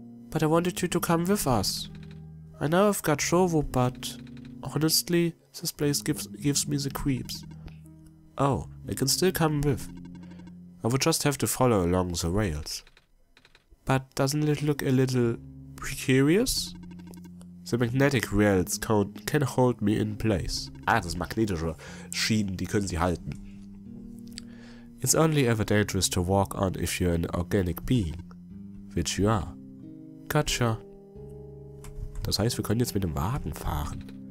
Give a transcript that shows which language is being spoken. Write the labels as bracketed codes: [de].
[en] But I wanted you to come with us. I know I've got Shovo, but honestly, this place gives me the creeps. Oh, I can still come with. I would just have to follow along the rails. But doesn't it look a little precarious? The magnetic rails can hold me in place. [de] Ah, das magnetische Schienen, die können sie halten. [en] It's only ever dangerous to walk on if you're an organic being, which you are. Gotcha. [de] Das heißt, wir können jetzt mit dem Wagen fahren.